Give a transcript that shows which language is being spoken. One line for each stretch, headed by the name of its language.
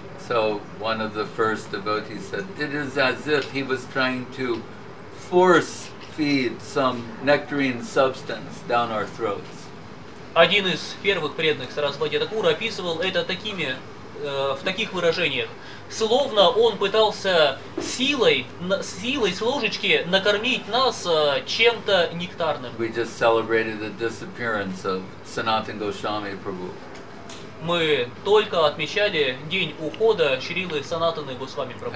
English: So one of the first devotees said, it is as if he was trying to force feed some nectarine substance down our throats.
Russian: Один из первых преданных Сарасвати Такура описывал это такими, в таких выражениях. Словно он пытался силой с ложечки накормить нас чем-то нектарным.
English: We just celebrated the disappearance of Sanatana Goswami Prabhu.
Russian: Мы только отмечали день ухода Шрилы Санатаны Госвами Прабху.